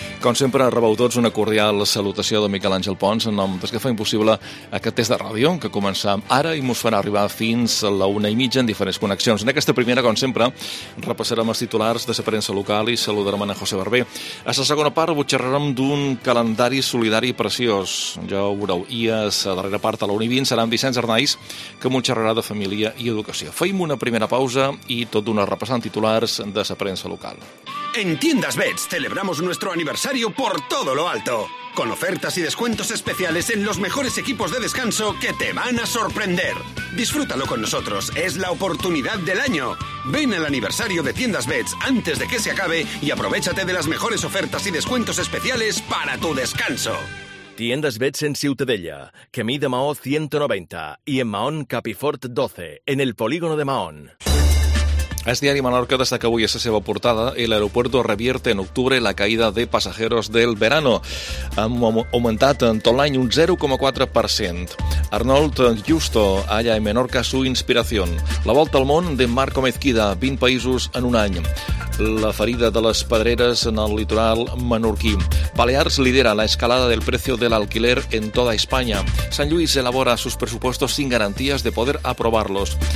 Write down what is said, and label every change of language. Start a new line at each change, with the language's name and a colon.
Catalan: Com sempre, rebeu tots una cordial salutació de Miquel Àngel Pons en nom des que fa impossible aquest test de ràdio, que començam ara i mos farà arribar fins a la una i mitja en diferents connexions. En aquesta primera, com sempre, repassarem els titulars de la premsa local i saludarem en José Barber. A la segona part, vos xerrarem d'un calendari solidari preciós. Ja ho veureu. I a la darrera part, a la una i 20, serà en Vicenç Arnaiz, que mos xerrarà de família i educació. Feim una primera pausa
Spanish: y todo un
Catalan: repasant
Spanish: titulares de la prensa local. En Tiendas Bets celebramos nuestro aniversario por todo lo alto, con ofertas y descuentos especiales en los mejores equipos de descanso que te van a sorprender. Disfrútalo con nosotros, es la oportunidad del año. Ven al aniversario de Tiendas Bets antes de que se acabe y aprovechate de las mejores ofertas y descuentos especiales para tu descanso. Tiendas Bets en Ciutadella, Camí de Mahón 190 y en Mahón Capifort 12, en el polígono de Mahón.
Catalan: El diari Menorca destaca avui a la seva portada:
Spanish: el aeropuerto revierte en octubre la caída de pasajeros del verano.
Catalan: Hem augmentat en tot l'any un 0,4%. Arnold Justo, allà en Menorca,
Spanish: su inspiración.
Catalan: La volta al món de Marco Mezquida, 20 països en un any. La ferida de les pedreres en el litoral menorquí.
Spanish: Balears lidera la escalada del precio del alquiler en toda España. Sant Lluís elabora sus presupuestos sin garantías de poder aprobarlos.